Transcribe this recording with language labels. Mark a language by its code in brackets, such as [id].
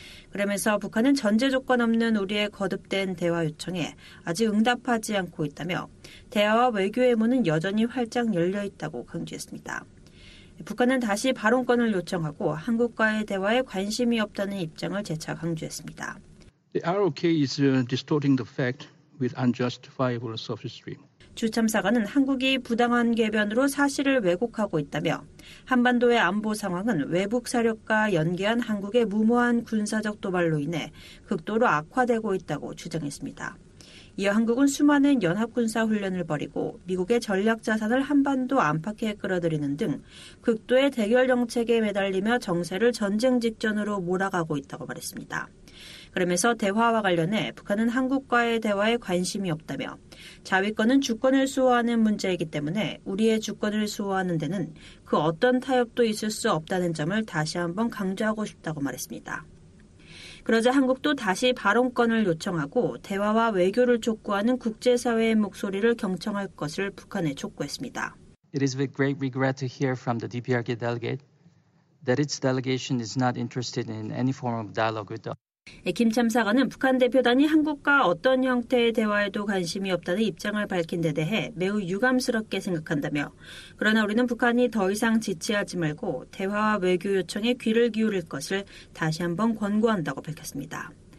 [ko] 그러면서 북한은 전제 조건 없는 우리의 거듭된 대화 요청에 아직 응답하지 않고 있다며 대화와 외교의 문은 여전히 활짝 열려있다고 강조했습니다. 북한은 다시 발언권을 요청하고 한국과의 대화에 관심이 없다는 입장을 재차 강조했습니다. [en] The ROK is distorting the fact with unjustifiable sophistry. [ko] 주 참사관은 한국이 부당한 궤변으로 사실을 왜곡하고 있다며 한반도의 안보 상황은 외국 사력과 연계한 한국의 무모한 군사적 도발로 인해 극도로 악화되고 있다고 주장했습니다. 이어 한국은 수많은 연합군사 훈련을 벌이고 미국의 전략 자산을 한반도 안팎에 끌어들이는 등 극도의 대결 정책에 매달리며 정세를 전쟁 직전으로 몰아가고 있다고 말했습니다. 그러면서 대화와 관련해 북한은 한국과의 대화에 관심이 없다며 자위권은 주권을 수호하는 문제이기 때문에 우리의 주권을 수호하는 데는 그 어떤 타협도 있을 수 없다는 점을 다시 한번 강조하고 싶다고 말했습니다. 그러자 한국도 다시 발언권을 요청하고 대화와 외교를 촉구하는 국제사회의 목소리를 경청할 것을 북한에 촉구했습니다. [en] It is with great regret to hear from the DPRK delegate that its delegation is not interested in any form of dialogue with the [ko] 김 참사관은 북한 대표단이 한국과 어떤 형태의 대화에도 관심이 없다는 입장을 밝힌 데 대해 매우 유감스럽게 생각한다며 그러나 우리는 북한이 더 이상 지체하지 말고 대화와 외교 요청에 귀를 기울일 것을 다시 한번 권고한다고 밝혔습니다.